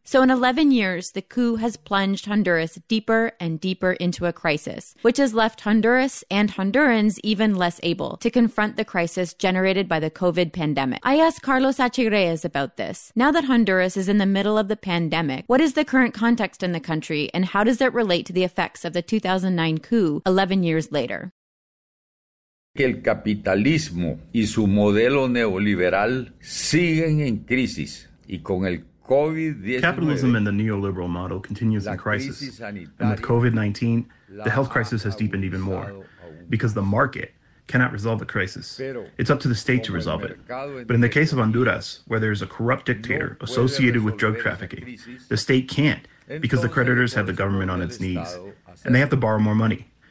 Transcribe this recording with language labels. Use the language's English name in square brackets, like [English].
[English] So in 11 years, the coup has plunged Honduras deeper and deeper into a crisis, which has left Honduras and Hondurans even less able to confront the crisis generated by the COVID pandemic. I asked Carlos Sánchez Reyes about this. Now that Honduras is in the middle of the pandemic, what is the current context in the country and how does it relate to the effect of the 2009 coup 11 years later? [Spanish] El capitalismo y su modelo neoliberal siguen en crisis y con el COVID-19. [English] Capitalism and the neoliberal model continues in crisis. And with COVID-19, the health crisis has deepened even more because the market cannot resolve the crisis. It's up to the state to resolve it. But in the case of Honduras, where there is a corrupt dictator associated with drug trafficking, the state can't because the creditors have the government on its knees and they have to borrow more money.